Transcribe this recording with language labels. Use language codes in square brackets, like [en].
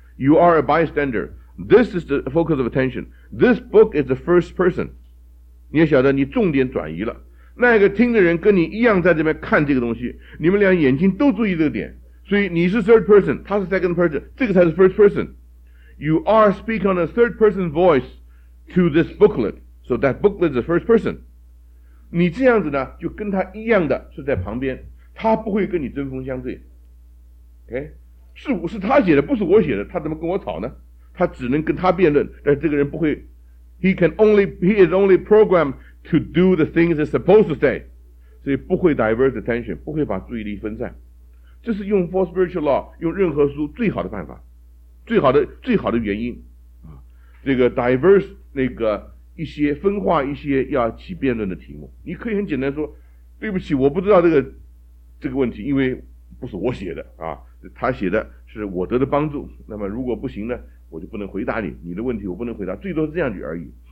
[en] You are a bystander， This is the focus of attention， This book is the first person， [zh] 你也晓得你重点转移了，那个听的人跟你一样在这边看这个东西，你们俩眼睛都注意这个点，所以你是 [en] third person， [zh] 他是 [en] second person， [zh] 这个才是 [en] first person。 You are speaking on a third person voice to this booklet, so that booklet is the first person. [zh] 你这样子呢，就跟他一样的是在旁边，他不会跟你针锋相对。 OK， 是他写的，不是我写的，他怎么跟我吵呢？他只能跟他辩论，但这个人不会。 [en] He is only programmed to do the things he's supposed to say, [zh] 所以不会 [en] divert attention， [zh] 不会把注意力分散。这是用 Four Spiritual Law 用任何书最好的办法。最好的原因啊，这个 diverse 那个一些分化一些要起辩论的题目，你可以很简单说，对不起，我不知道这个问题，因为不是我写的啊，他写的是我得的帮助，那么如果不行呢，我就不能回答你的问题，我不能回答，最多是这样子而已。